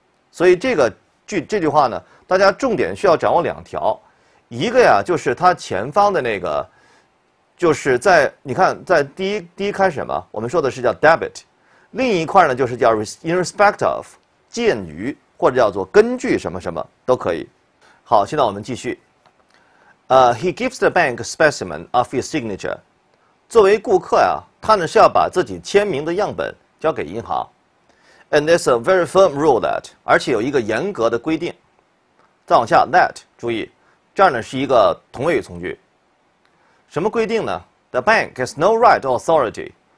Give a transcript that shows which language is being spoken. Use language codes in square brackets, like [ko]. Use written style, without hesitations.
[zh] 所以这个句这句话呢，大家重点需要掌握两条，一个呀就是它前方的那个，就是在你看在第一开始嘛，我们说的是叫 debit， 另一块呢就是叫 in respect of， 鉴于或者叫做根据什么什么都可以。好，现在我们继续。 [en] He gives the bank a specimen of his signature。 [zh] 作为顾客呀，他呢是要把自己签名的样本交给银行。 [en] And there's a very firm rule that， [zh] 而且有一个严格的规定。再往下 ，that， 注意，这儿呢是一个同位语从句。什么规定呢 [en] ？The bank has no right or authority。